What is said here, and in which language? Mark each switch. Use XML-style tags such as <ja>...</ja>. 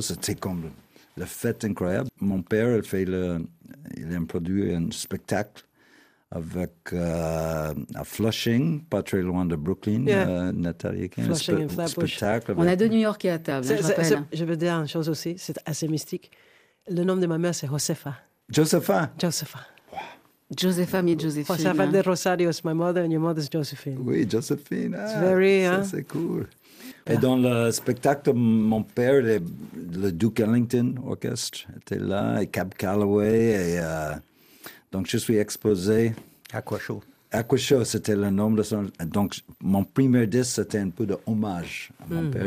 <fr>C'était comme la fête incroyable. Mon père, il a produit un spectacle avec à Flushing, pas très loin de Brooklyn, yeah. Nathalie Kane. Flushing et Flatbush. Spectacle. On a deux New Yorkais à table, hein, je veux dire une chose aussi, c'est assez mystique. Le nom de ma mère, c'est Josefa. Josefa? Josefa. Josefa, mais Josephine.</fr> <en>Josefa de Rosario is my mother and your mother is Josephine.</en> <fr>Oui, Josephine. Ah, c'est cool. Yeah. Et dans le spectacle, mon père, le Duke Ellington Orchestra était là, et Cab Calloway, et... Donc, je suis exposé... Aqua Show, c'était le nom de son... Donc, mon premier disque, c'était un peu d'hommage à mon père.</fr>